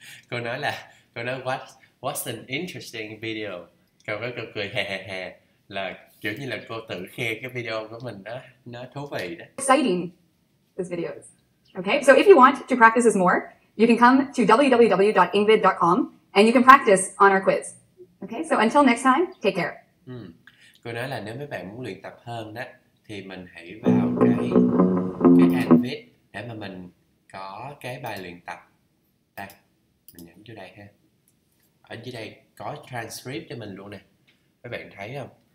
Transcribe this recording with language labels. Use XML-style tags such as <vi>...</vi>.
<vi>Cô nói là, cô nói</vi> <en>what's an interesting video.</en> <vi>Cô có cười hè hè hè. Là Kiểu như là cô tự khen cái video của mình đó, nó thú vị đó.</vi> <en>Exciting, this video is. Okay, so if you want to practice this more, you can come to www.ingvid.com and you can practice on our quiz. Okay, so until next time, take care.</en> <vi>Cô nói là nếu mấy bạn muốn luyện tập hơn đó, thì mình hãy vào cái Ingvid để mà mình có cái bài luyện tập. Đây, mình nhấn vô đây ha. Ở dưới đây có transcript cho mình luôn nè. Mấy bạn thấy không?</vi>